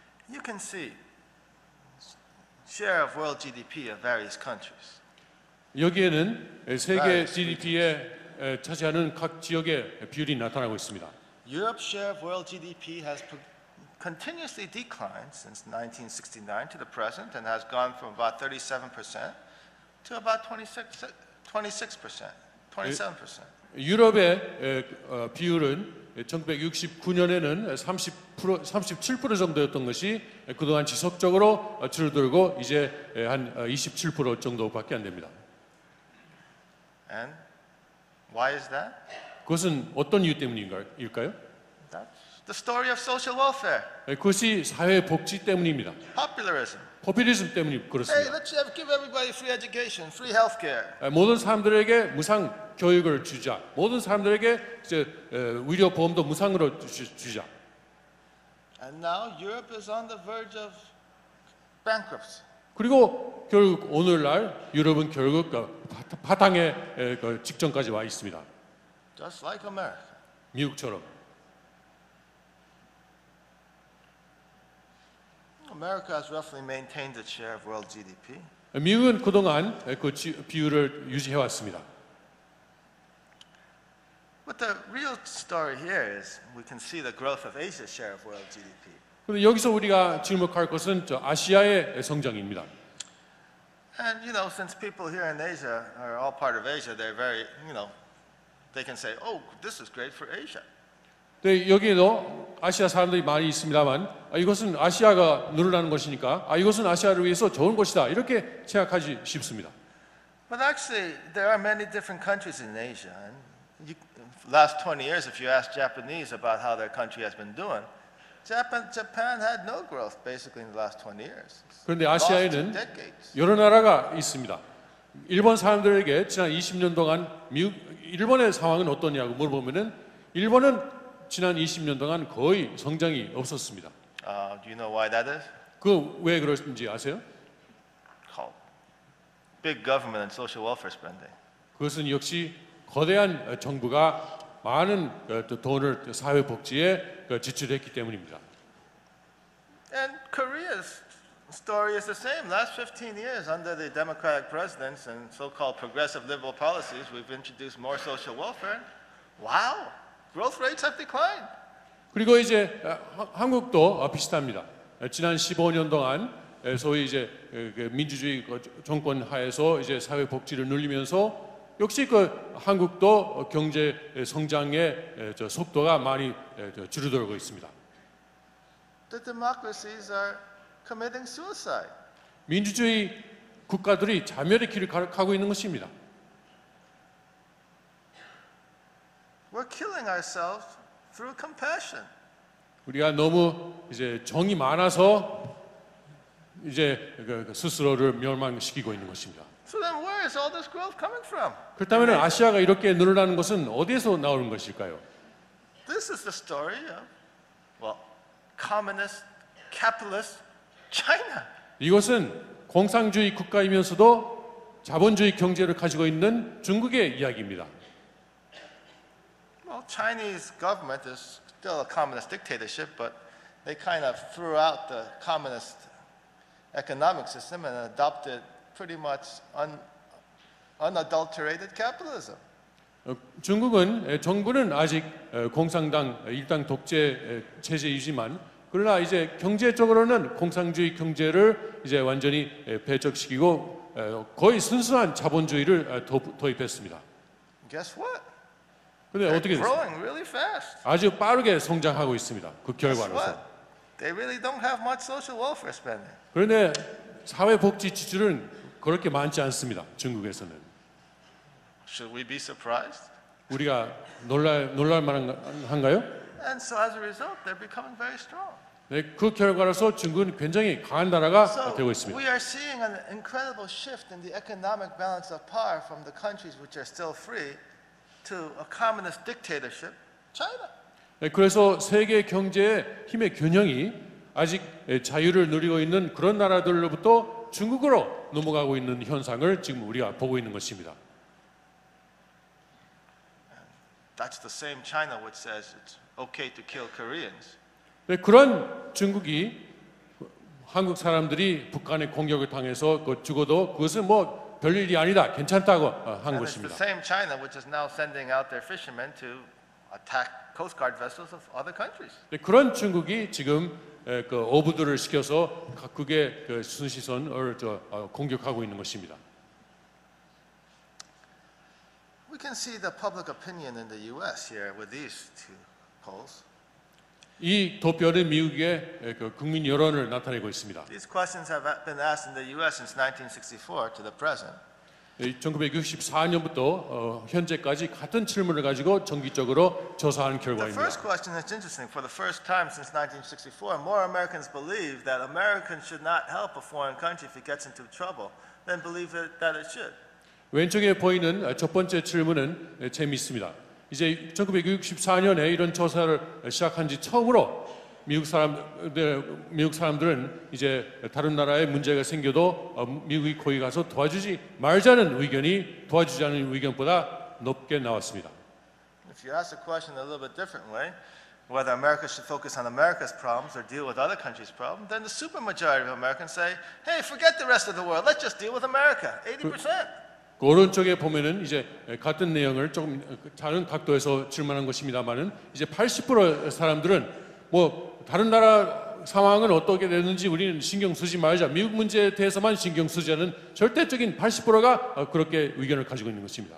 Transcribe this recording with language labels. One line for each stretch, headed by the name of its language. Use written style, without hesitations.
English: You can see share of world GDP of various countries.
Korean: 여기에는 세계 GDP의 차지하는 각 지역의 비율이 나타나고 있습니다.
English: Europe's share of world GDP has continuously declined since 1969 to the present and has gone from about 37% to about 27%.
Korean: 유럽의 비율은 1969년에는 37% 정도였던 것이 그동안 지속적으로 줄어들고 이제 한 27% 정도밖에 안 됩니다.
English: And why is that?
Korean: 그것은 어떤 이유 때문일까요?
English: That's the story of social welfare.
Korean: 그것이 사회 복지 때문입니다.
English: Populism.
Korean: 포퓰리즘 때문이 그렇습니다.
English: Hey, let's have give everybody free education, free healthcare.
Korean: 모든 사람들에게 무상 교육을 주자. 모든 사람들에게 이제 의료 보험도 무상으로 주자.
English: And now Europe is on the verge of bankruptcy.
Korean: 그리고 결국 오늘날 유럽은 결국 파탄의 직전까지 와 있습니다.
English: Just like America.
Korean: 미국처럼.
English: America has roughly maintained its share of world GDP.
Korean: 미국은 그동안 그 비율을 유지해 왔습니다.
English: But the real story here is we can see the growth of Asia's share of world GDP.
Korean: 근데 여기서 우리가 주목할 것은 저 아시아의 성장입니다.
English: And you know, since people here in Asia are all part of Asia, they're very, you know, they can say, "Oh, this is great for Asia."
Korean: 네, 여기에도 아시아 사람들이 많이 있습니다만 이것은 아시아가 늘어나는 것이니까 이것은 아시아를 위해서 좋은 것이다 이렇게 생각하기 쉽습니다.
English: But actually, there are many different countries in Asia. And you, last 20 years, if you ask Japanese about how their country has been doing, Japan had no growth basically in the last 20 years.
Korean: 그런데 아시아에는 여러 나라가 있습니다. 일본 사람들에게 지난 20년 동안 일본의 상황은 어떠냐고 물어보면은 일본은 지난 20년 동안 거의 성장이 없었습니다.
English: Do you know why that is?
Korean: 그 왜 그러신지 아세요?
English: Big government and social welfare spending.
Korean: 그것은 역시 거대한 정부가 많은 돈을 사회 복지에 지출했기 때문입니다.
English: And Korea's story is the same. Last 15 years under the democratic presidents and so-called progressive liberal policies, we've introduced more social welfare. Wow. Growth rates have declined.
Korean: 그리고 이제 한국도 비슷합니다. 지난 15년 동안 소위 이제 민주주의 정권 하에서 이제 사회 복지를 늘리면서 역시 그 한국도 경제 성장의 속도가 많이 줄어들고 있습니다.
English: The democracies are committing suicide.
Korean: 민주주의 국가들이 자멸의 길을 가고 있는 것입니다.
English: We're killing ourselves through compassion.
Korean: 우리가 너무 이제 정이 많아서 이제 스스로를 멸망시키고 있는 것입니다.
English: So then where is all this growth coming from?
Korean: 그렇다면 아시아가 이렇게 늘어나는 것은 어디에서 나오는 것일까요?
English: This is the story of communist capitalist China.
Korean: 이것은 공산주의 국가이면서도 자본주의 경제를 가지고 있는 중국의 이야기입니다.
English: Well, Chinese government is still a communist dictatorship, but they kind of threw out the communist economic system and adopted pretty much unadulterated capitalism.
Korean: 중국은 정부는 아직 공산당 일당 독재 체제이지만 그러나 이제 경제적으로는 공산주의 경제를 이제 완전히 배척시키고 거의 순수한 자본주의를 도입했습니다.
English: Guess what?
Korean: 근데 어떻게 됐어요?
English: Really fast.
Korean: 아주 빠르게 성장하고 있습니다. 그 결과로서.
English: They really don't have much social welfare spending.
Korean: 그런데 사회 복지 지출은 그렇게 많지 않습니다. 중국에서는.
English: Should we be surprised?
Korean: 우리가 놀랄 만한가요?
English: And so as a result, they're becoming very strong.
Korean: 네, 그 결과로서 중국은 굉장히 강한 나라가
English: so
Korean: 되고 있습니다.
English: We are seeing an incredible shift in the economic balance of power from the countries which are still free to a communist dictatorship, China.
Korean: 네, 그래서 세계 경제의 힘의 균형이 아직 자유를 누리고 있는 그런 나라들로부터 중국으로 넘어가고 있는 현상을 지금 우리가 보고 있는 것입니다.
English: That's the same China which says it's okay to kill Koreans.
Korean: 네, 그런 중국이 한국 사람들이 북한의 공격을 당해서 죽어도 그것은 뭐 별일이 아니다, 괜찮다고 한 것입니다.
English: It's the same China which is now sending out their fishermen to attack coast guard vessels of other countries.
Korean: 네, 그런 중국이 지금 그 어부들을 시켜서 각국의 그 순시선을 공격하고 있는 것입니다.
English: We can see the public opinion in the U.S. here with these two polls.
Korean: 이 도표는 미국의 그 국민 여론을 나타내고 있습니다.
English: These questions have been asked in the U.S. since 1964 to the present.
Korean: 1964년부터 현재까지 같은 질문을 가지고 정기적으로 조사한 결과입니다.
English: The first question is interesting. For the first time since 1964, more Americans believe that Americans should not help a foreign country if it gets into trouble than believe that it should.
Korean: 왼쪽에 보이는 첫 번째 질문은 재미있습니다. 이제 1964년에 이런 조사를 시작한 지 처음으로 미국 사람들은 이제 다른 나라에 문제가 생겨도 미국이 거기 가서 도와주지 말자는 의견이 도와주지 않는 의견보다 높게 나왔습니다.
English: If you ask the question a little bit different way, whether America should focus on America's problems or deal with other countries' problems, then the supermajority of Americans say, "Hey, forget the rest of the world. Let's just deal with America." 80%.
Korean: 오른쪽에 보면은 이제 같은 내용을 조금 다른 각도에서 질문한 것입니다만은 이제 80% 사람들은 뭐 다른 나라 상황은 어떻게 되는지 우리는 신경 쓰지 말자. 미국 문제에 대해서만 신경 쓰자는 절대적인 80%가 그렇게 의견을 가지고 있는 것입니다.